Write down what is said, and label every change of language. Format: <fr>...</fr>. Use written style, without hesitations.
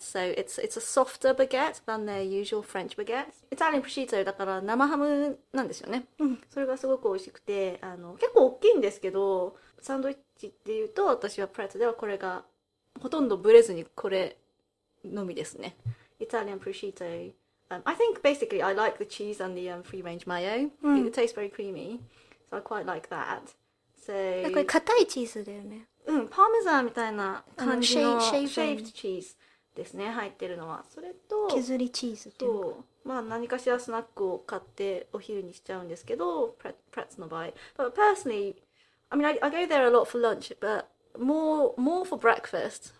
<en>So it's a softer baguette than their usual French baguettes. Italian prosciutto,</en> <ja>だから生ハムなんですよね。うん。それがすごく美味しくて、あの、結構大きいんですけど、サンドイッチっていうと、私はプレッツではこれが、ほとんどブレずにこれのみですね。</ja> <en>Italian prosciutto. I think basically I like the cheese and the free-range mayo. It tastes very creamy, so I quite like that. So,</en> <ja>これ硬いチーズだよね。うん、パーメザンみたいな感じの</ja> <en>shaved cheese</en> <ja>ですね、入ってるのは。それと削りチーズっていうか、まあ何かしらスナックを買ってお昼にしちゃうんですけど、Pret's の場合。</ja> <en>But personally, I mean, I go there a lot for lunch, but more for breakfast.</en>